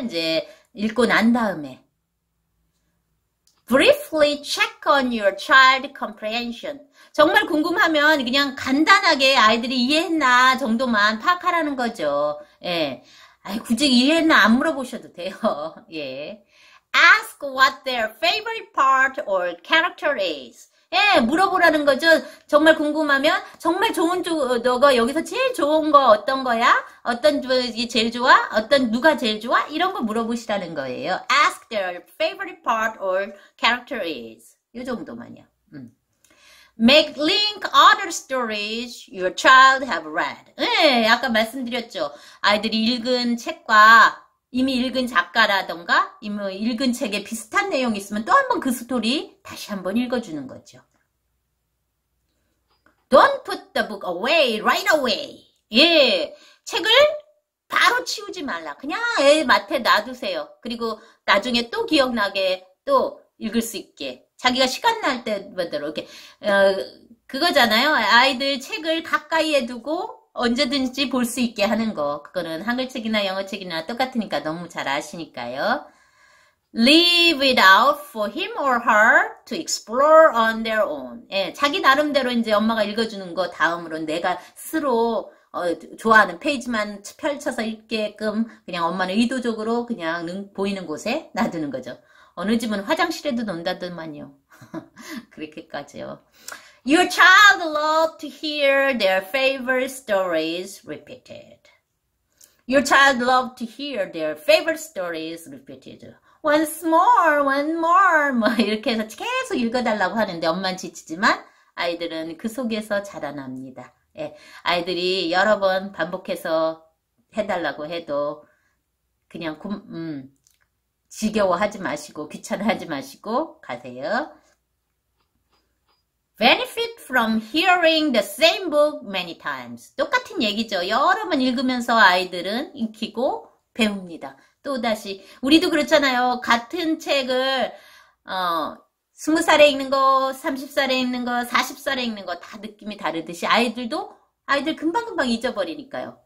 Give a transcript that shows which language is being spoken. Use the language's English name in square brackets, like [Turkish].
[Korean] 이제 읽고 난 다음에 [English] briefly check on your child comprehension. [Korean] 정말 궁금하면 그냥 간단하게 아이들이 이해했나 정도만 파악하라는 거죠. 예. 아이, 굳이 이해했나 안 물어보셔도 돼요. 예. [English] Ask what their favorite part or character is. [Korean] 예, 물어보라는 거죠. 정말 궁금하면 정말 좋은 너가 여기서 제일 좋은 거 어떤 거야? 어떤 게 제일 좋아? 어떤 누가 제일 좋아? 이런 거 물어보시라는 거예요. [English] Ask their favorite part or character is. [Korean] 요 정도만요. [English] Make link other stories your child have read. [Korean] 예, 아까 말씀드렸죠. 아이들이 읽은 책과 이미 읽은 작가라던가, 이미 읽은 책에 비슷한 내용이 있으면 또한번그 스토리 다시 한번 읽어주는 거죠. [English] Don't put the book away right away. [Korean] 예, 책을 바로 치우지 말라. 그냥 애 맡에 놔두세요. 그리고 나중에 또 기억나게 또 읽을 수 있게. 자기가 시간 날 때마다 이렇게 그거잖아요. 아이들 책을 가까이에 두고 언제든지 볼수 있게 하는 거. 그거는 한글책이나 영어책이나 똑같으니까 너무 잘 아시니까요. [English] Leave it out for him or her to explore on their own. [Korean] 예, 자기 나름대로 이제 엄마가 읽어주는 거 다음으로 내가 스스로 좋아하는 페이지만 펼쳐서 읽게끔 그냥 엄마는 의도적으로 그냥 보이는 곳에 놔두는 거죠. 어느 집은 화장실에도 논다더만요. 그렇게까지요. [English] Your child loved to hear their favorite stories repeated. Your child loved to hear their favorite stories repeated. Once more, one more. [Korean] 뭐 이렇게 해서 계속 읽어달라고 하는데 엄만 지치지만 아이들은 그 속에서 자라납니다. 예, 아이들이 여러 번 반복해서 해달라고 해도 그냥 지겨워하지 마시고 귀찮아하지 마시고 가세요. [English] Benefit from hearing the same book many times. [Korean] 똑같은 얘기죠. 여러 번 읽으면서 아이들은 익히고 배웁니다. 또다시 우리도 그렇잖아요. 같은 책을 20살에 읽는 거, 30살에 읽는 거, 40살에 읽는 거다 느낌이 다르듯이 아이들 금방금방 잊어버리니까요.